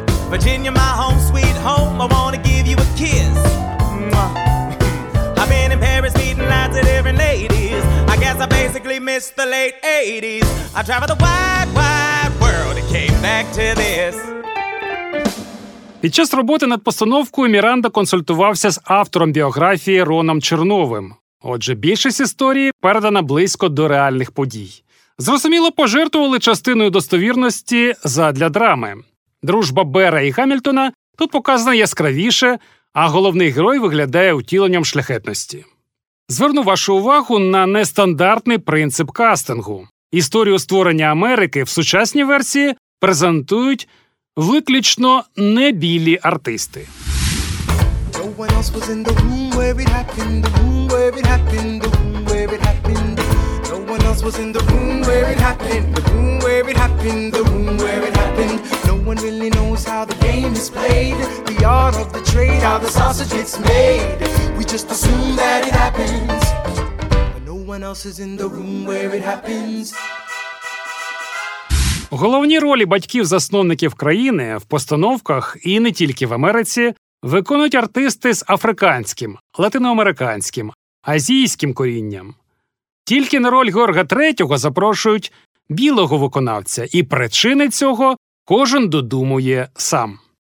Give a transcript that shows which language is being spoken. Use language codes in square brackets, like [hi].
[en] Virginia, my home sweet home, I wanna give you a kiss. I've been in Paris meeting lots of different ladies, I guess I basically missed the late 80s. I traveled the wide, wide world and came back to this. [uk] Під час роботи над постановкою Міранда консультувався з автором біографії Роном Черновим. Отже, більшість історії передана близько до реальних подій. Зрозуміло, пожертвували частиною достовірності задля драми. Дружба Берра і Гамільтона тут показана яскравіше, а головний герой виглядає утіленням шляхетності. Зверну вашу увагу на нестандартний принцип кастингу. Історію створення Америки в сучасній версії презентують виключно не білі артисти. [en] No one else was in the room where it happened, the room where it happened, the room where it happened. No one else was in the room where it happened, the room where it happened, the room where it happened. No one really knows how the game is played, the art of the trade, how the sausage gets made. We just assume that it happens, but no one else is in the room where it happens. [uk] Головні ролі батьків-засновників країни в постановках і не тільки в Америці виконують артисти з африканським, латиноамериканським, азійським корінням. Тільки на роль Георга III запрошують білого виконавця, і причини цього кожен додумує сам.